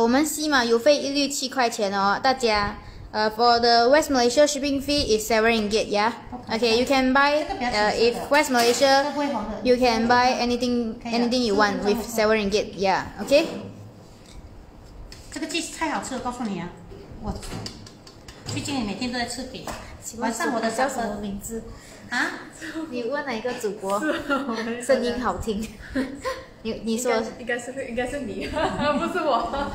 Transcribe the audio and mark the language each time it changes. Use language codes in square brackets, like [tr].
[zh] 我们西马邮费一律7块钱哦，大家。 [en] For the West Malaysia shipping fee is 7 ringgit, yeah. Okay, you can buy. If West Malaysia, you can buy anything you want with 7 ringgit, yeah. Okay. [zh] 这个鸡太好吃了，告诉你啊，我最近每天都在吃饼。晚上我的叫什么名字？啊？你问哪一个主播？声音好听。你说应该是你，不是我。